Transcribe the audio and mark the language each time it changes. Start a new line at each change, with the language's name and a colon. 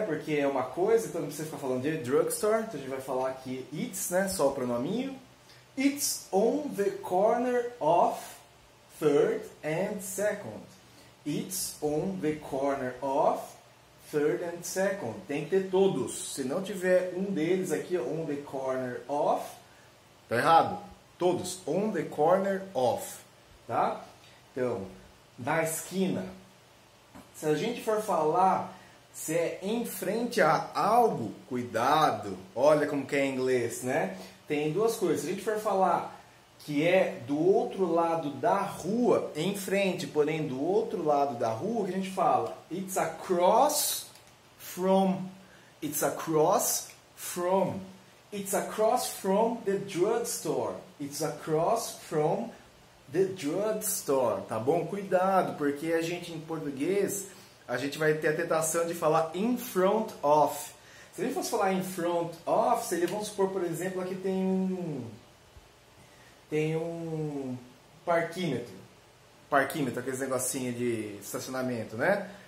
Portuguese: Porque é uma coisa, então não precisa ficar falando de drugstore. Então a gente vai falar aqui it's, né? Só o pronominho.
English: It's on the corner of Third and Second. It's on the corner of Third and second.
Portuguese: Tem que ter todos. Se não tiver um deles aqui,
English: on the corner of,
Portuguese: tá errado. Todos.
English: On the corner of,
Portuguese: tá? Então, na esquina. Se a gente for falar se é em frente a algo, cuidado. Olha como que é em inglês, né? Tem duas coisas. Se a gente for falar que é do outro lado da rua, em frente, porém do outro lado da rua, o que a gente fala?
English: It's across. From, it's across from the drugstore, it's across from the drugstore,
Portuguese: tá bom? Cuidado, porque a gente em português a gente vai ter a tentação de falar
English: in front of.
Portuguese: Se a gente fosse falar
English: in front of,
Portuguese: seria, vamos supor, por exemplo, aqui tem um parquímetro, aquele negocinho de estacionamento, né?